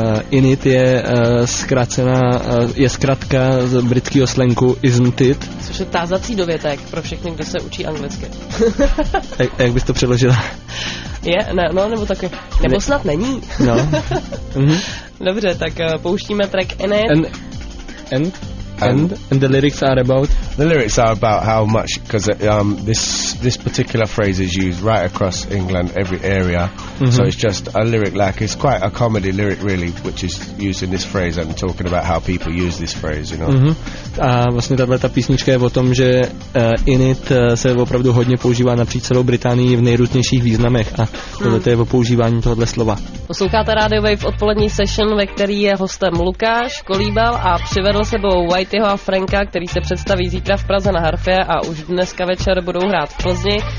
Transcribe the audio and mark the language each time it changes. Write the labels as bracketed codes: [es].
[cs] In It je zkrácená, je zkratka z britského slangu Isn't It. Což je tázací dovětek pro všechny, kdo se učí anglicky. jak bys to přeložila? Je, ne, no, nebo taky, nebo snad není. No. Dobře, tak pouštíme track In It. [en] And the lyrics are about? The lyrics are about how much, because this particular phrase is used right across England, every area. Mm-hmm. So it's just a lyric, like, it's quite a comedy lyric, really, which is used in this phrase and talking about how people use this phrase, you know. Mm-hmm. [cs] A vlastně tato písnička je o tom, že In It se opravdu hodně používá napříč celou Británii v nejrůznějších významech a to je o používání tohoto slova. Posloucháte Radio Wave odpolední session, ve který je hostem Lukáš Kolíbal a přivedl sebou Whiteyho a Franka, který se představí zítra v Praze na harfě a už dneska večer budou hrát v Plzni.